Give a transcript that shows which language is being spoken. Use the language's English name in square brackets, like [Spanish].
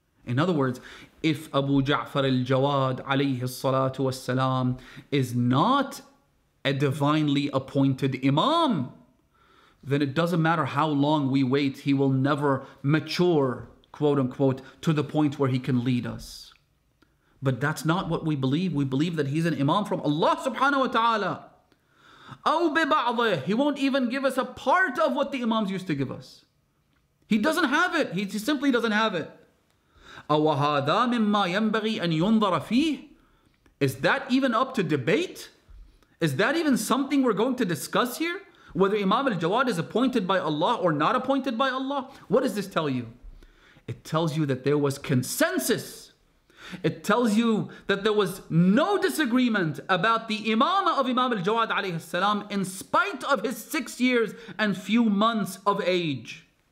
[English] In other words, if Abu Ja'far al-Jawad alayhi salatu wassalam is not a divinely appointed Imam, then it doesn't matter how long we wait, he will never mature, quote unquote, to the point where he can lead us. But that's not what we believe. We believe that he's an imam from Allah subhanahu wa ta'ala. [Arabic] أو ببعضه. [English] He won't even give us a part of what the imams used to give us. He doesn't have it. He simply doesn't have it. [Arabic] أو هذا مما ينبغي أن ينظر فيه. [English] Is that even up to debate? Is that even something we're going to discuss here? Whether Imam al-Jawad is appointed by Allah or not appointed by Allah? What does this tell you? It tells you that there was consensus. It tells you that there was no disagreement about the imamah of Imam al-Jawad alayhi salam in spite of his 6 years and few months of age.